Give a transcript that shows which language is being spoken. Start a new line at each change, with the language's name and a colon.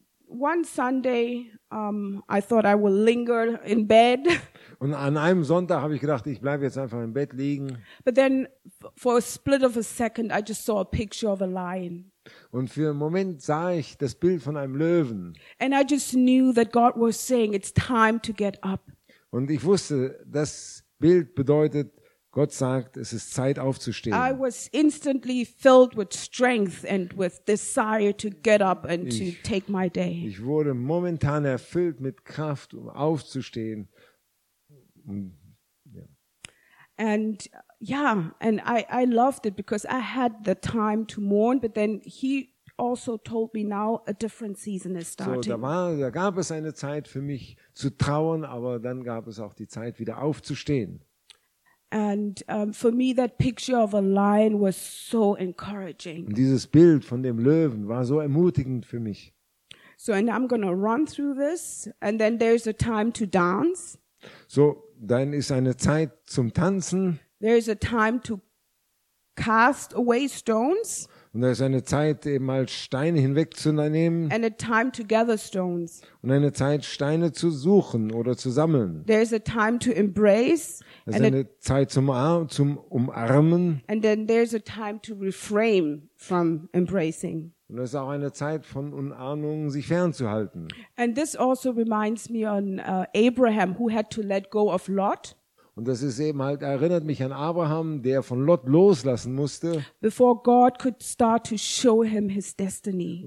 English: One Sunday, I thought I will linger in bed.
German: Und an einem Sonntag habe ich gedacht, ich bleibe jetzt einfach im Bett liegen.
English: But then for a split of a second I just saw a picture of a lion.
German: Und für einen Moment sah ich das Bild von einem Löwen.
English: And I just knew that God was saying it's time to get up.
German: Und ich wusste, das Bild bedeutet, Gott sagt, es ist Zeit aufzustehen.
English: I was instantly filled with strength and with desire to get up and to take my day.
German: Ich wurde momentan erfüllt mit Kraft, um aufzustehen.
English: And I loved it because I had the time to mourn, but then he also told me now a different season is starting.
German: So, da gab es eine Zeit für mich zu trauern, aber dann gab es auch die Zeit wieder aufzustehen.
English: And for me that picture of a lion was so encouraging.
German: Und dieses Bild von dem Löwen war so ermutigend für mich.
English: So, and I'm gonna run through this and then there's a time to dance.
German: So, dann ist eine Zeit zum Tanzen.
English: There is a time to cast away stones.
German: Und da ist eine Zeit, eben mal Steine hinwegzunehmen.
English: And a time to gather stones.
German: Und eine Zeit, Steine zu suchen oder zu sammeln.
English: There is a time to embrace.
German: Da ist eine Zeit zum Umarmen.
English: And then there is a time to refrain from embracing.
German: Und es ist auch eine Zeit von Unahnung, sich fernzuhalten.
English: And this also reminds me on Abraham, who had to let go of Lot.
German: Und das ist eben halt, erinnert mich an Abraham, der von Lot loslassen musste.
English: Before God could start to show him his destiny.